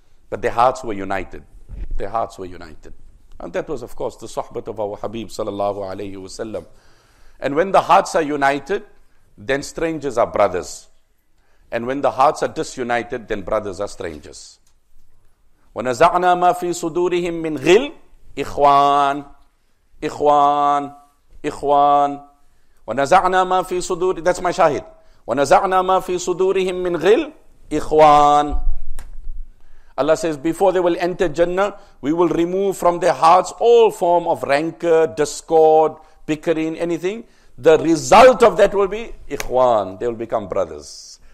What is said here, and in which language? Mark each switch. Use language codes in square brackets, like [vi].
[en] But their hearts were united. Their hearts were united. And that was, of course, the sohbat of our Habib sallallahu alayhi wasallam. And when the hearts are united, then strangers are brothers. And when the hearts are disunited, then brothers are strangers. [ar] وَنَزَعْنَا مَا فِي صُدُورِهِمْ مِنْ غِلْ إِخْوَان إِخْوَان إِخْوَان وَنَزَعْنَا مَا فِي صُدُورِهِمْ [en] That's my shahid. [ar] وَنَزَعْنَا مَا فِي صُدُورِهِمْ مِنْ غِلْ إِخْوَان [en] Allah says, before they will enter Jannah, we will remove from their hearts all form of rancor, discord, bickering, anything. The result of that will be إِخْوَان They will become brothers.